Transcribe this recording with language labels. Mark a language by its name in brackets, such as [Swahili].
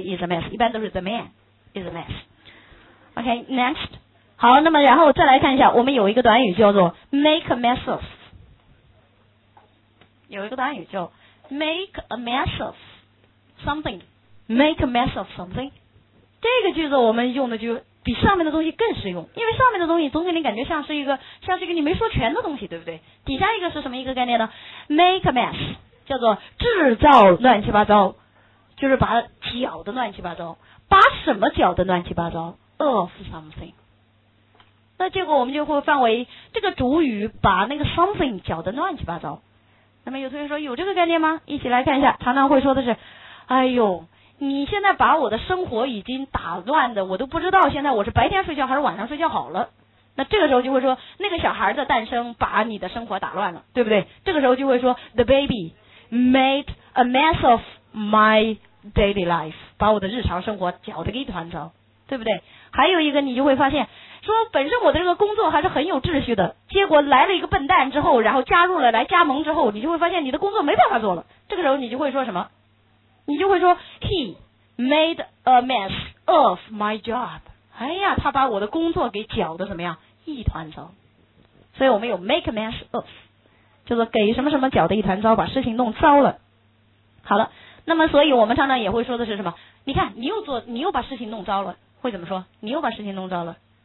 [English] is a mess， [Chinese] 一般都是 [English] the man is a mess。 OK， next。 [Chinese] 好，那么然后再来看一下，我们有一个短语叫做 [English] make a mess of， [Chinese] 有一个短语叫 [English] make a mess of something， [Chinese] make a mess of something。这个句子我们用的就比上面的东西更实用，因为上面的东西总给你感觉像是一个你没说全的东西，对不对？底下一个是什么一个概念呢？ [English] make a mess [Chinese] 叫做制造乱七八糟，就是把搅的乱七八糟，把什么搅的乱七八糟 ？Of something。那结果我们就会范围这个主语把那个 something 搅得乱七八糟。那么有同学说有这个概念吗？一起来看一下，常常会说的是，哎呦，你现在把我的生活已经打乱的，我都不知道现在我是白天睡觉还是晚上睡觉好了。那这个时候就会说，那个小孩的诞生把你的生活打乱了，对不对？这个时候就会说 ， [English] The baby made a mess of my daily life， [Chinese] 把我的日常生活搅得一团糟，对不对？还有一个你就会发现，说本身我的这个工作还是很有秩序的，结果来了一个笨蛋之后，然后加入了来加盟之后，你就会发现你的工作没办法做了。这个时候你就会说什么？你就会说 [English] He made a mess of my job。 [Chinese] 哎呀，他把我的工作给搅得怎么样？一团糟。所以我们有 [English] make a mess of， [Chinese] 就是给什么什么搅得一团糟，把事情弄糟了。好了，那么所以我们常常也会说的是什么？你看你又做，你又把事情弄糟了。会怎么说？你又把事情弄糟了。